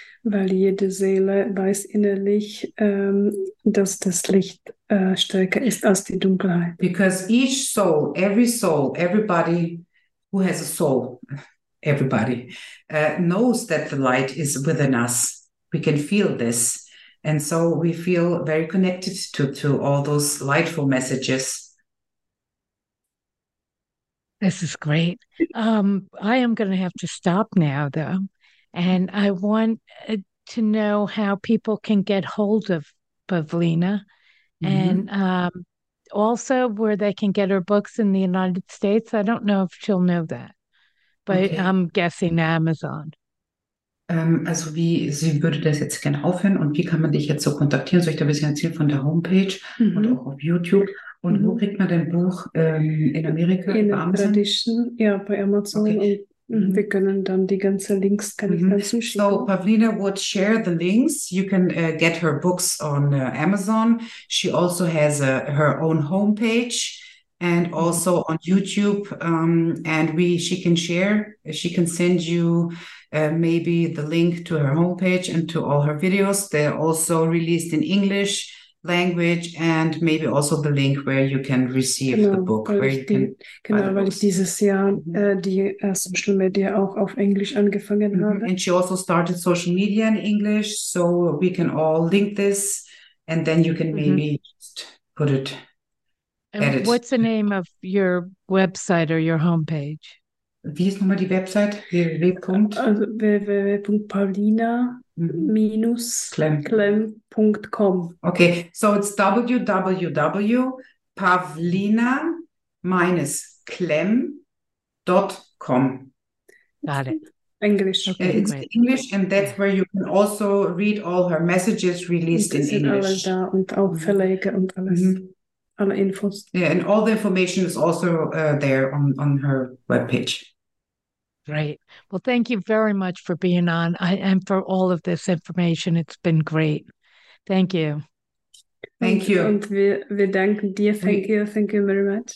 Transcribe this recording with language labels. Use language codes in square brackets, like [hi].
[de] Weil jede Seele weiß innerlich, dass das Licht stärker ist als die Dunkelheit. [en] Because each soul, everybody who has a soul, everybody, knows that the light is within us. We can feel this. And so we feel very connected to all those lightful messages. This is great. I am going to have to stop now, though. And I want to know how people can get hold of Pavlina. Mm-hmm. And also where they can get her books in the United States. I don't know if she'll know that. But okay. I'm guessing Amazon. [de] Also wie, sie würde das jetzt gerne aufhören. Und wie kann man dich jetzt so kontaktieren? Soll ich da ein bisschen erzählen von der Homepage mm-hmm. und auch auf YouTube? Und wo kriegt man dein Buch in Amerika? In der Tradition, ja, bei Amazon. Okay. Und mm-hmm. wir können dann die ganzen Links, kann mm-hmm. ich dann zuschicken. [en] So, Pavlina would share the links. You can get her books on Amazon. She also has her own homepage and also on YouTube. She can send you maybe the link to her homepage and to all her videos. They're also released in English language and maybe also the link where you can receive [de] genau, [en] the book where you [de] can genau, weil ich dieses Jahr die Social Media auch auf Englisch angefangen mm-hmm. habe. [en] And she also started social media in English, so we can all link this and then you can maybe mm-hmm. just put it edit. What's the name of your website or your homepage? [de] Wie ist nochmal die Website? [en] www.pavlina-klemm.com. Okay, so it's www.pavlina-klemm.com. Got it. English. Okay, it's great. English, and that's where you can also read all her messages released in English. [de] Da und auch Verlage und alles, alle Infos. [en] Yeah, and all the information is also there on her webpage. Great. Well, thank you very much for being on and for all of this information. It's been great. Thank you. Thank you. [de] Und wir danken dir. [en] Thank you. Thank you very much.